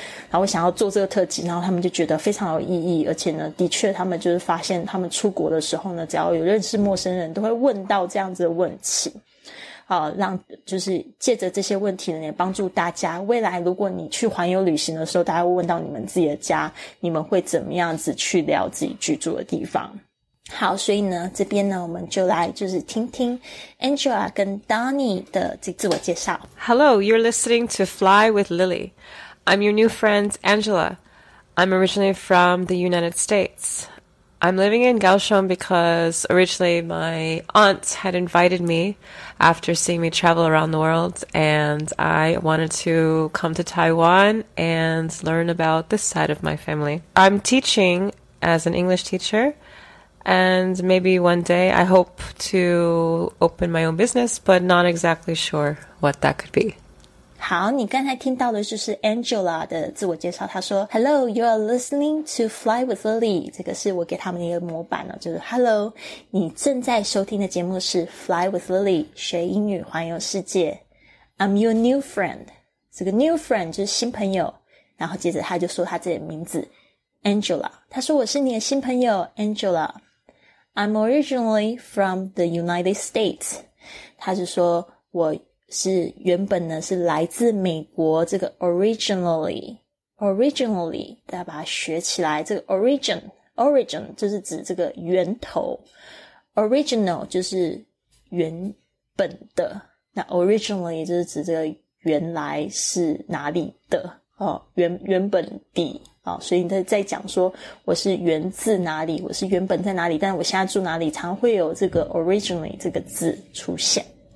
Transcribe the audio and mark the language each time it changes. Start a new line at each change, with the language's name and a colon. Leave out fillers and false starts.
Chinese: 然后我想要做这个特辑，然后他们就觉得非常有意义，而且呢的确他们就是发现他们出国的时候呢，只要有认识陌生人都会问到这样子的问题，让就是借着这些问题呢也帮助大家，未来如果你去环游旅行的时候，大家会问到你们自己的家，你们会怎么样子去聊自己居住的地方。好，所以呢，这边呢，我们就来就是听听 Angela 跟 Donnie 的自我介绍。
English: Hello, you're listening to Fly with Lily. I'm your new friend, Angela. I'm originally from the United States. I'm living in Kaohsiung because originally my aunt had invited me after seeing me travel around the world, and I wanted to come to Taiwan and learn about this side of my family. I'm teaching as an English teacher. And maybe one day I hope to open my own business, but not exactly sure what that could be.
Chinese: 好，你刚才听到的就是 Angela 的自我介绍。她说
English: ，Hello, you are listening to Fly with Lily.
Chinese: 这个是我给他们的一个模板了，就是 Hello, 你正在收听的节目是 Fly with Lily, 学英语环游世界。
English: I'm your new friend.
Chinese: 这个
English: new friend
Chinese: 就是新朋友。然后接着他就说他自己的名字。Angela, 她说我是你的新朋友 Angela.
English: I'm originally from the United States.
Chinese: 她是说我是原本呢是来自美国这个 originally, 大家把它学起来这个 origin 就是指这个源头 original 就是原本的那 originally 就是指这个原来是哪里的、哦、原本地好、哦、所以你在讲说我是源自哪里我是原本在哪里但我现在住哪里常会有这个 originally 这个字出现。